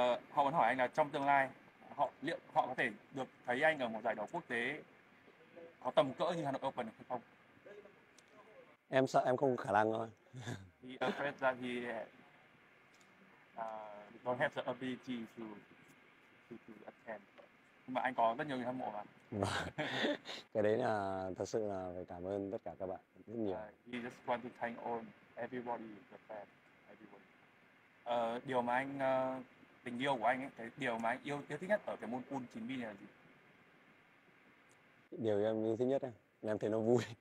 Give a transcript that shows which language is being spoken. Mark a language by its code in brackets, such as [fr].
[vi] Họ muốn hỏi anh là trong tương lai họ liệu họ có thể được thấy anh ở một giải đấu quốc tế có tầm cỡ như Hà Nội Open hay không? Em sợ em không khả năng thôi. [en] He afraid that he don't have the ability to attend. [vi] Nhưng mà anh có rất nhiều người hâm mộ mà. Cái đấy là thật sự là phải cảm ơn tất cả các bạn rất nhiều. [en] He just want to thank all everybody, the fan, everybody. [vi] Điều mà anh tình yêu của anh ấy, cái điều mà anh yêu thích nhất ở cái môn pool chính vì là gì? Điều em yêu thích nhất em thấy nó vui.